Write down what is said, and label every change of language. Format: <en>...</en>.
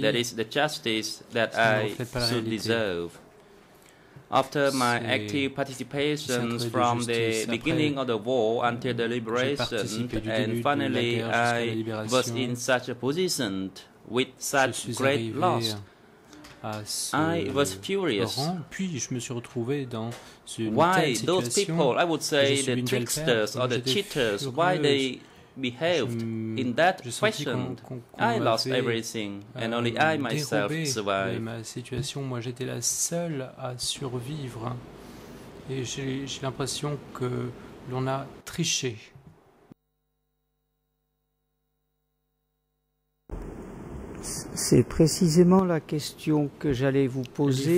<en>that is the justice that I should deserve. After my active participation from the beginning of the war until the liberation, and finally I was in such a position with such great loss, I was furious.</en> <fr>Rang, puis je me suis retrouvé dans ce</fr> <en>why those people, I would say the tricksters or the cheaters, why they behaved in that fashion? I lost everything, and only I myself survived.</en> <fr>Ma situation, moi, j'étais la seule à survivre, et j'ai l'impression que l'on a triché. C'est précisément la question que j'allais vous poser.</fr>